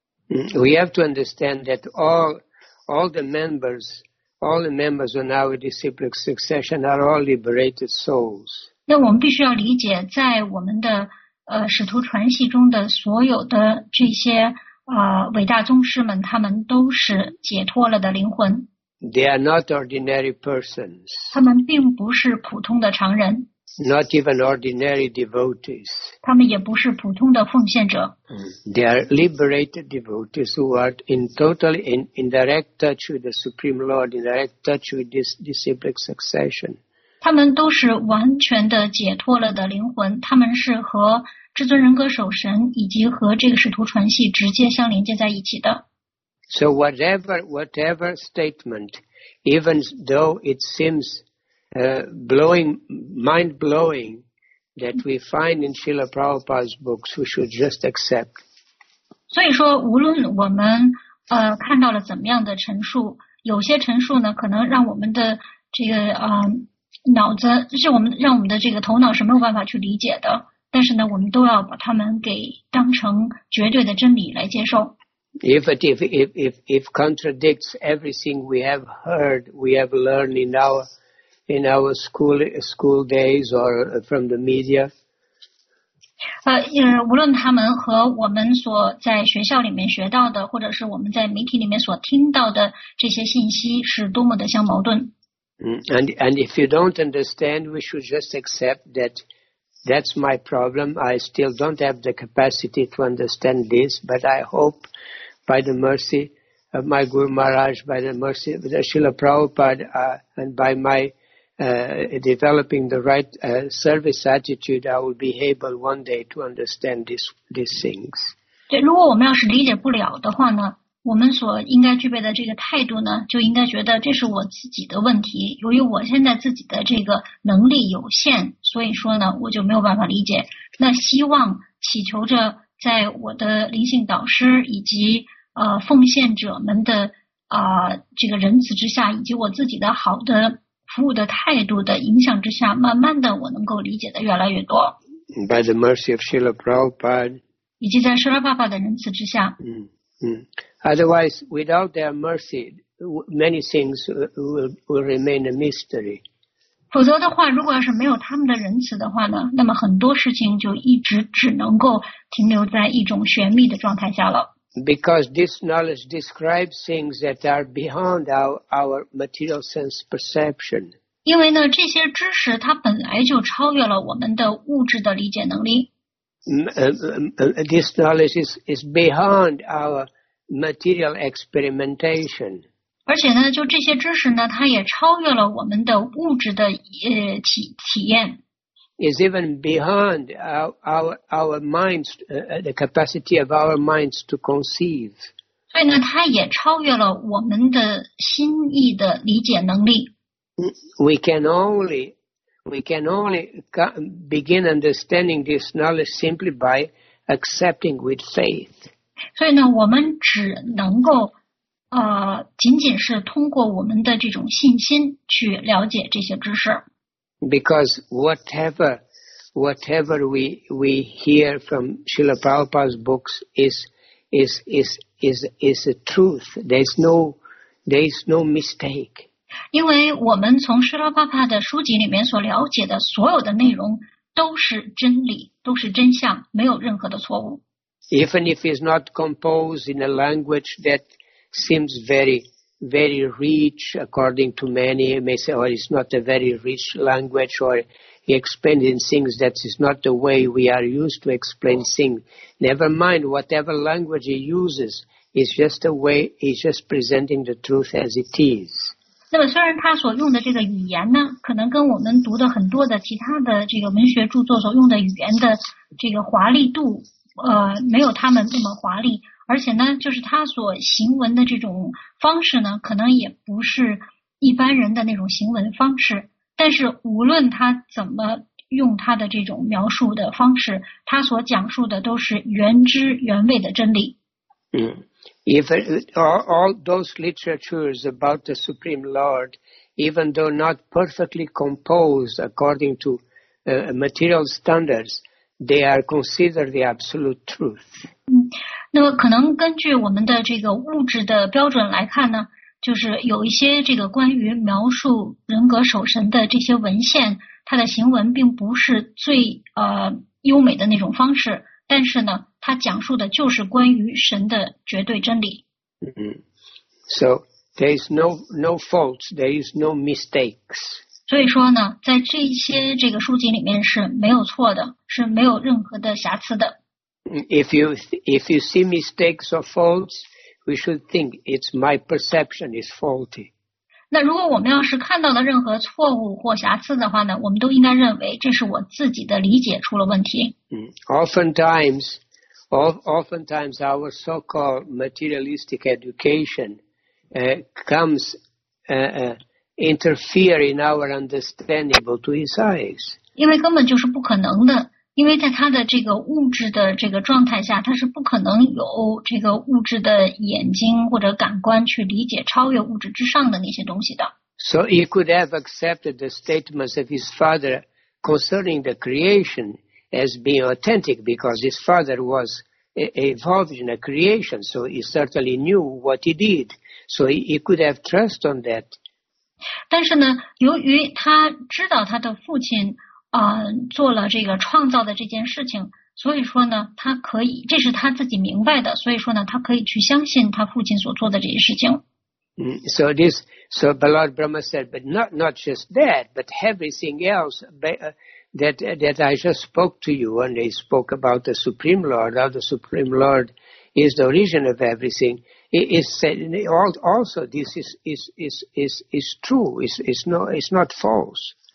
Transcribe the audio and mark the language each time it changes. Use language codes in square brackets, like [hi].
[en] We have to understand that all the members in our disciplic succession are all liberated souls. [zh] 那我们必须要理解，在我们的使徒传系中的所有的这些伟大宗师们，他们都是解脱了的灵魂。 [en] They are not ordinary persons. [zh] 他们并不是普通的常人。 [en] Not even ordinary devotees. [zh] 他们也不是普通的奉献者。 [en] They are liberated devotees who are in direct touch with the Supreme Lord, in direct touch with this disciplic succession. [zh] 他们都是完全的解脱了的灵魂，他们是和至尊人格守神以及和这个使徒传系直接相连接在一起的。 [en] So whatever statement, even though it seems blowing, mind-blowing that we find in Srila Prabhupada's books, we should just accept. [zh] 所以说，无论我们看到了怎么样的陈述，有些陈述呢，可能让我们的这个脑子，是我们让我们的这个头脑是没有办法去理解的。但是呢，我们都要把它们给当成绝对的真理来接受。 [en] If contradicts everything we have heard, we have learned in our school days or from the media. [zh] 无论他们和我们所在学校里面学到的，或者是我们在媒体里面所听到的这些信息是多么的相矛盾。 [en] And if you don't understand, we should just accept that's my problem. I still don't have the capacity to understand this, but I hope by the mercy of my Guru Maharaj, by the mercy of the Srila Prabhupada, and by my developing the right service attitude, I will be able one day to understand these things. [zh] 对，如果我们要是理解不了的话呢，我们所应该具备的这个态度呢，就应该觉得这是我自己的问题。由于我现在自己的这个能力有限，所以说呢，我就没有办法理解。那希望祈求着在我的灵性导师以及奉献者们的这个仁慈之下，以及我自己的好的服务的态度的影响之下，慢慢的我能够理解的越来越多。 [en] By the mercy of Srila Prabhupada， [zh] 以及在 Srila Prabhupada 的仁慈之下。 [en] Otherwise, without their mercy, many things will remain a mystery. [zh] 否则的话，如果要是没有他们的仁慈的话呢，那么很多事情就一直只能够停留在一种玄秘的状态下了。 [en] Because this knowledge describes things that are beyond our material sense perception. [zh] 因为呢，这些知识它本来就超越了我们的物质的理解能力。 [en] This knowledge is beyond our material experimentation. [zh] 而且呢，就这些知识呢，它也超越了我们的物质的体验。 [en] Is even beyond our minds, the capacity of our minds to conceive. [zh] 所以呢，它也超越了我们的心意的理解能力。 [en] We can only begin understanding this knowledge simply by accepting with faith. [zh] 所以呢，我们只能够仅仅是通过我们的这种信心去了解这些知识。 [en] Because whatever we hear from Srila Prabhupada's books is a truth. There is no mistake. [zh] 因为我们从 Srila Prabhupada 的书籍里面所了解的所有的内容都是真理，都是真相，没有任何的错误。 [en] Even if it's not composed in a language that seems very rich, according to many, he may say, "Oh, it's not a very rich language," or he explains in things that is not the way we are used to explain things. Never mind, whatever language he uses is just a way. He's just presenting the truth as it is. [zh] 那么，虽然他所用的这个语言呢，可能跟我们读的很多的其他的这个文学著作所用的语言的这个华丽度，没有他们那么华丽。而且呢，就是他所行文的这种方式呢，可能也不是一般人的那种行文方式。但是无论他怎么用他的这种描述的方式，他所讲述的都是原汁原味的真理。 [en] If all those literatures about the Supreme Lord, even though not perfectly composed according to material standards, they are considered the absolute truth. [zh] 那么可能根据我们的这个物质的标准来看呢，就是有一些这个关于描述人格守神的这些文献，它的行文并不是最优美的那种方式，但是呢，它讲述的就是关于神的绝对真理。 [en] So there is no faults, there is no mistakes. [zh] 所以说呢，在这些这个书籍里面是没有错的，是没有任何的瑕疵的。 [en] If you see mistakes or faults, we should think it's my perception is faulty. [zh] 那如果我们要是看到了任何错误或瑕疵的话呢，我们都应该认为这是我自己的理解出了问题。 [en] Oftentimes our so-called materialistic education comes interfere in our understanding but to his eyes. [zh] 因为根本就是不可能的，因为在他的这个物质的这个状态下，他是不可能有这个物质的眼睛或者感官去理解超越物质之上的那些东西的。 [en] So he could have accepted the statements of his father concerning the creation as being authentic because his father was involved in a creation, so he certainly knew what he did. So he could have trust on that. [zh] 但是呢，由于他知道他的父亲做了这个创造的这件事情，所以说呢，他可以，这是他自己明白的，所以说呢，他可以去相信他父亲所做的这些事情。 [en] So the Lord Brahma said, but not just that, but everything else that I just spoke to you, and they spoke about the Supreme Lord, how the Supreme Lord is the origin of everything, is said, also this is true, it's not false.